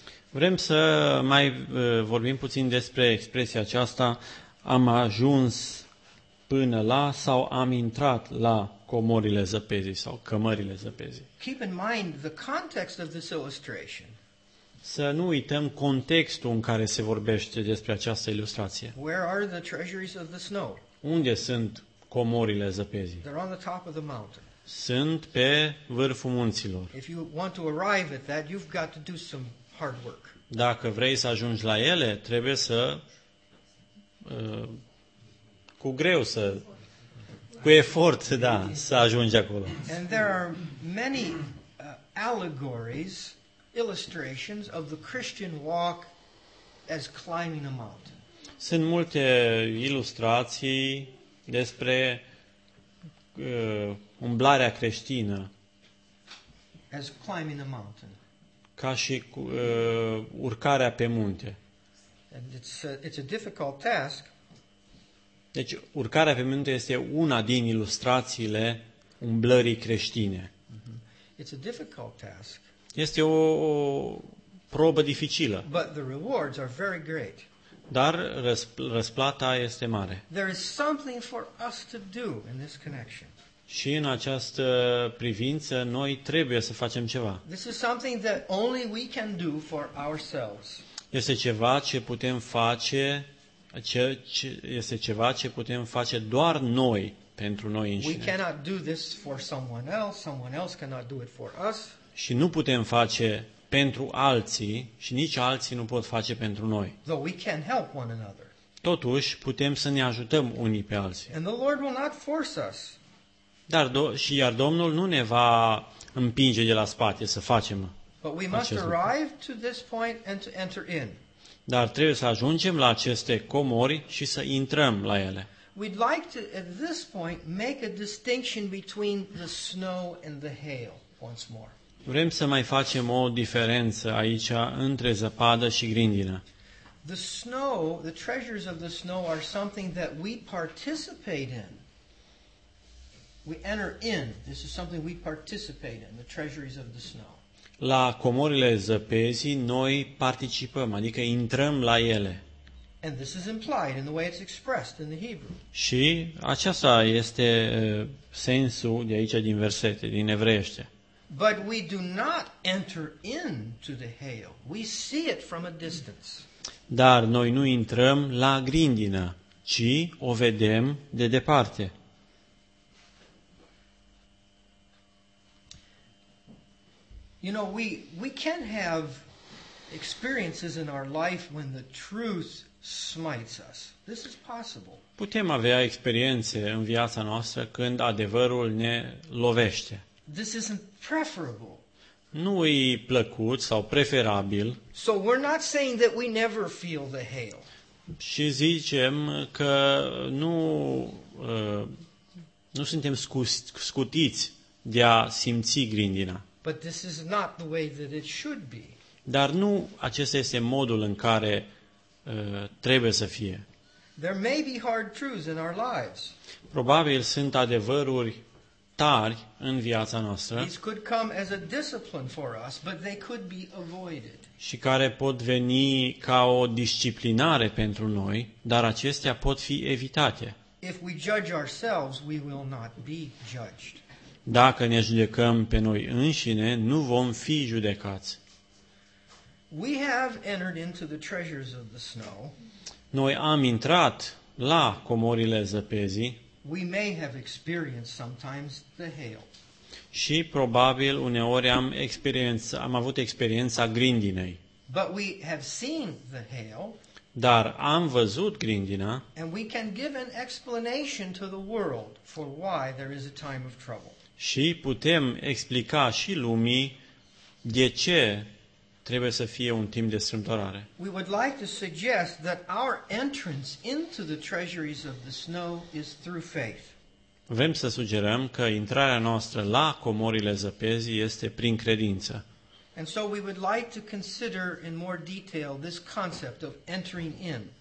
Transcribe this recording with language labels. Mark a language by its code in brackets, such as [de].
[ro] Vrem să mai vorbim puțin despre expresia aceasta, am ajuns până la sau am intrat la comorile zăpezii sau cămările zăpezii. [en] Keep in mind the context of this illustration. [ro] Să nu uităm contextul în care se vorbește despre această ilustrație. [en] Where are the treasuries of the snow? [ro] Unde sunt comorile zăpezii? [en] They're on the top of the mountain. [ro] Sunt pe vârful munților. [en] If you want to arrive at that, you've got to do some hard work. [ro] Dacă vrei să ajungi la ele, trebuie să cu greu să cu efort, da, să ajungi acolo. [en] And there are many allegories, illustrations of the Christian walk as climbing a mountain. [ro] Sunt multe ilustrații despre umblarea creștină. [en] As climbing a mountain. [ro] Ca și urcarea pe munte. [en] And it's a difficult task. [ro] Deci urcarea pe munte este una din ilustrațiile umblării creștine. [en] Mm-hmm. It's a difficult task. [ro] Este o probă dificilă. [en] But the rewards are very great. [ro] Dar răsplata este mare. [en] There is something for us to do in this connection. [ro] Și în această privință noi trebuie să facem ceva. [en] This is something that only we can do for ourselves. [ro] Este ceva ce putem face doar noi pentru noi înșine. [en] We cannot do this for someone else. Someone else cannot do it for us. [ro] Și nu putem face pentru alții și nici alții nu pot face pentru noi. [en] Though we can help one another. [ro] Totuși putem să ne ajutăm unii pe alții. [en] And the Lord will not force us. [ro] Dar iar Domnul nu ne va împinge de la spate să facem. [en] But we must arrive to this point and to enter in. [ro] Dar trebuie să ajungem la aceste comori și să intrăm la ele. [en] We'd like to at this point make a distinction between the snow and the hail once more. [ro] Vrem să mai facem o diferență aici între zăpadă și grindină. [en] The snow, the treasures of the snow are something that we participate in. We enter in. This is something we participate in, the treasures of the snow. [ro] La comorile zăpezii noi participăm, adică intrăm la ele. [en] And this is implied in the way it's expressed in the Hebrew. [ro] Și aceasta este sensul de aici din versete, din evreiește. [en] But we do not enter into the hail. We see it from a distance. [ro] Dar noi nu intrăm la grindină, ci o vedem de departe. [en] You know, we can have experiences in our life when the truth smites us. This is possible. [ro] Putem avea experiențe în viața noastră când adevărul ne lovește. [en] This isn't preferable. [ro] Nu e plăcut sau preferabil. [en] So we're not saying that we never feel the hail. [ro] Și zicem că nu suntem scutiți de a simți grindina. [en] But this is not the way that it should be. [ro] Dar nu acesta este modul în care trebuie să fie. [en] There may be hard truths in our lives. [ro] Probabil sunt adevăruri tari în viața noastră. [en] These could come as a discipline for us, but they could be avoided. [ro] Și care pot veni ca o disciplinare pentru noi, dar acestea pot fi evitate. [en] If we judge ourselves, we will not be judged. [ro] Dacă ne judecăm pe noi înșine, nu vom fi judecați. [en] We have entered into the treasures of the snow. [ro] Noi am intrat la comorile zăpezii. [en] We may have experienced sometimes the hail. [ro] Și probabil uneori am avut experiența grindinei. [en] But we have seen the hail. [ro] Dar am văzut grindina. [en] And we can give an explanation to the world for why there is a time of trouble. [ro] Și putem explica și lumii de ce trebuie să fie un timp de strâmtorare. [en] We would like to suggest that our entrance into the treasuries of the snow is through faith. [ro] Vrem să sugerăm că intrarea noastră la comorile zăpezii este prin credință. [en] And so we would like to consider in more detail this concept of entering in.